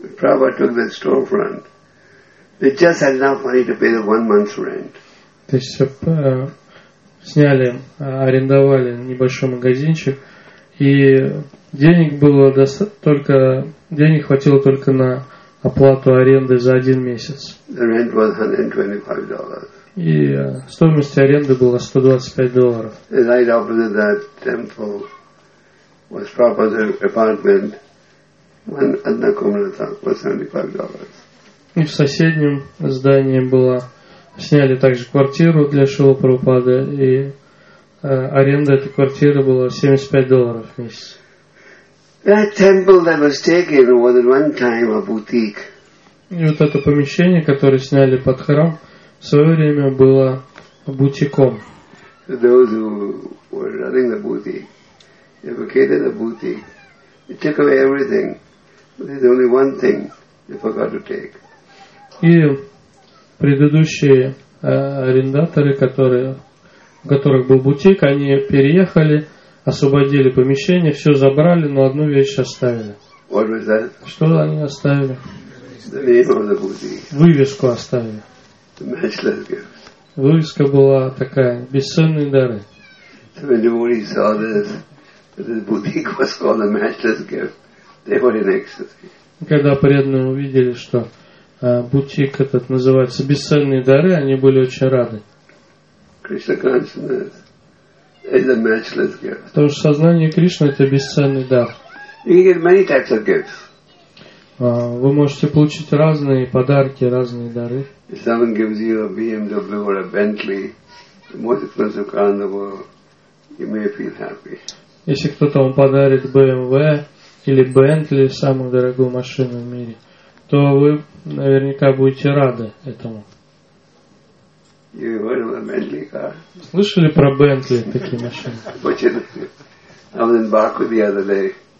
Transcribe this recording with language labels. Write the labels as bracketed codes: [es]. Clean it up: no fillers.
[ru] То есть сняли, арендовали небольшой магазинчик, и денег хватило только на оплату аренды за один месяц. [en] The rent was $125. [ru] И стоимость аренды была $125. [en] And right opposite that temple was Prabhupada's apartment, one [ru] одна комната [en] was $75. [ru] И в соседнем здании была. Сняли также квартиру для Шрилы Прабхупады, и аренда этой квартиры была $75 в месяц. [en] That temple that was taken was at one time a boutique. И вот это помещение, которое сняли под храм, в свое время было бутиком. Those who were running the boutique, they vacated the boutique. They took away everything. But there's only one thing they forgot to take. [ru] Предыдущие арендаторы, у которых был бутик, они переехали, освободили помещение, все забрали, но одну вещь оставили. [en] What was that? [ru] Что они оставили? [en] The name of the boutique. [ru] Вывеску оставили. [en] The matchless gifts. [ru] Вывеска была такая, бесценные дары. [en] So when devotees saw this, that the boutique was called a matchless gift, they were in ecstasy. [ru] Когда преданные увидели, что бутик этот называется «Бесценные дары», они были очень рады. [en] Krishna consciousness is a matchless gift. [ru] Потому что сознание Кришны – это бесценный дар. [en] You can get many types of gifts. [ru] Вы можете получить разные подарки, разные дары. [en] If someone gives you a BMW or a Bentley, the most expensive car in the world, you may feel happy. [ru] Если кто-то вам подарит BMW или Bentley, самую дорогую машину в мире, то вы наверняка будете рады этому. Слышали про Бентли такие машины?